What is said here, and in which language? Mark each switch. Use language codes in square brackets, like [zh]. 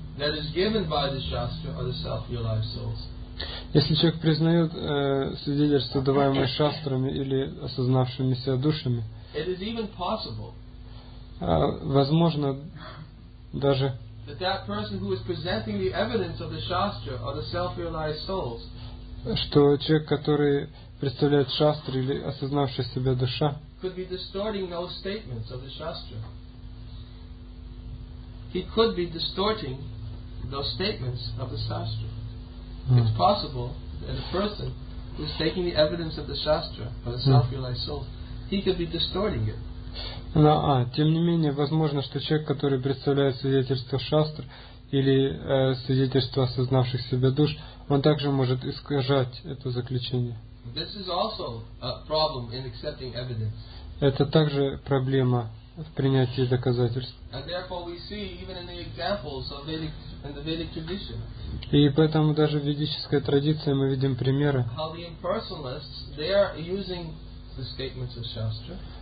[en] that is given by the Shastra are the self-realized souls. [ru] Если человек признает свидетельство, даваемое шастрами или осознавшими себя душами, [en] it is even possible, [ru] возможно даже [en] that that person who is presenting the evidence of the Shastra are the self-realized souls, [ru] что человек, который представляет шастры или осознавшая себя душа, [en] could be distorting those statements of the Shastra. He could be distorting those statements of the Shastra. It's possible that a person who's taking the evidence of the Shastra or the self-realized soul, he could be distorting it. [ru] Но, тем не менее, возможно, что человек, который представляет свидетельство шастр или свидетельство осознавших себя душ, он также может искажать это заключение. [en] This is also a problem in accepting evidence. [ru] Это также проблема в принятии доказательств. [en] And therefore we see even in the examples of Vedic, in the Vedic tradition. [ru] И поэтому даже в ведической традиции мы видим примеры, [en] how the impersonalists, they are using the statements of Shastra.